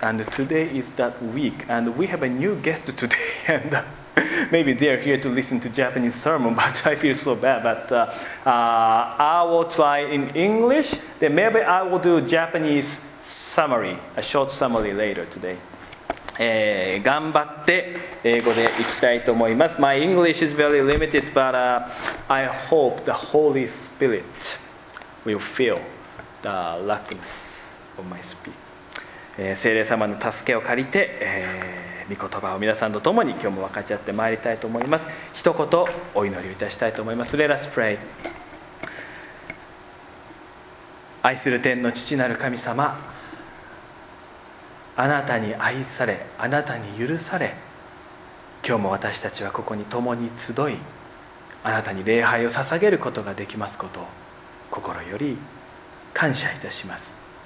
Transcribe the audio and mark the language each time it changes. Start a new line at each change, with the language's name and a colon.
English: And today is that week, and we have a new guest today. And maybe they are here to listen to Japanese sermon, but I feel so bad. But I will try in English, then maybe I will do Japanese summary, a short summary later today.
Japanese: 頑張って英語でいきたいと思います。
English: My English is very limited, but I hope the Holy Spirit will fill the lackness of my speech.
Japanese: 聖霊様の助けを借りて、御言葉を皆さんと共に今日も分かち合ってまいりたいと思います。一言お祈りいたしたいと思います。
English: Let us pray.
Japanese: 愛する天の父なる神様、あなたに愛され、あなたに許され、今日も私たちはここに共に集い、あなたに礼拝を捧げることができますことを心より感謝いたします。